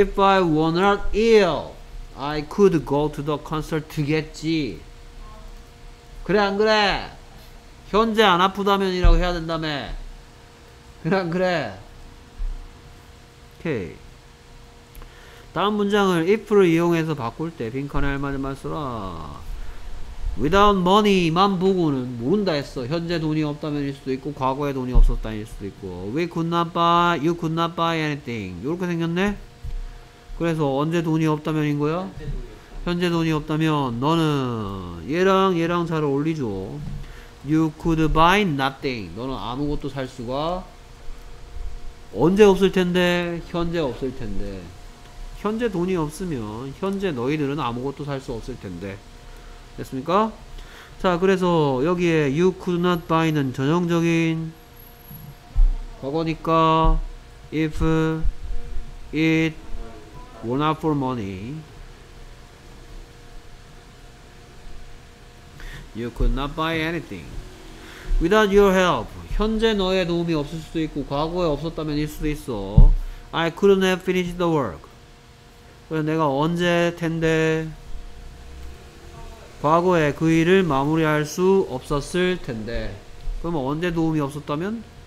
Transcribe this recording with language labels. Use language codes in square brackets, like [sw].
[en] If I were not ill, I could go to the concert [ko] 겠지. 그래 안 그래? 현재 안 아프다면이라고 해야 된다며. 그래 안 그래? 오케이. 다음 문장을 if를 이용해서 바꿀 때 빈칸에 알맞은 말 써라 [en] without money [ko] 만 보고는 모른다 했어 현재 돈이 없다면 일 수도 있고 과거에 돈이 없었다 일 수도 있고 [en] we could not buy, you could not buy anything [ko] 요렇게 생겼네 그래서 언제 돈이 없다면 인 거야? 현재 돈이 없다면 너는 얘랑 얘랑 잘 어울리죠 [en] you could buy nothing [ko] 너는 아무것도 살 수가 언제 없을 텐데 현재 없을 텐데 현재 돈이 없으면 현재 너희들은 아무것도 살 수 없을 텐데. 됐습니까? 자, 그래서 여기에 [en] you could not buy [ko] 는 전형적인 과거니까 [en] if it were not for money you could not buy anything without your help. [ko] 현재 너의 도움이 없을 수도 있고 과거에 없었다면 일 수도 있어. [en] I couldn't have finished the work. [ko] 그래서 내가 언제 텐데 과거에 그 일을 마무리할 수 없었을 텐데. 그러면 언제 도움이 없었다면?